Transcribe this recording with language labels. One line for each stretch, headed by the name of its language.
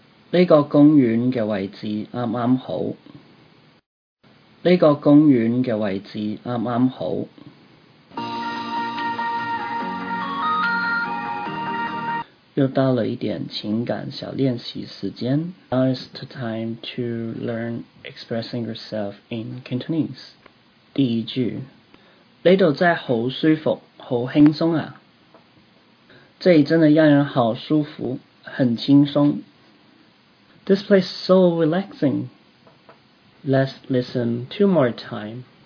Chinese: 这个公园的位置刚刚好。这个公园的位置刚刚好。又到了一点情感小练习时间。
English: Now is the time to learn expressing yourself in Cantonese.
Chinese: 第一句，这里真的好舒服，好轻松啊。这里真的让人好舒服，很轻松。
English: This place is so relaxing. Let's listen two more times.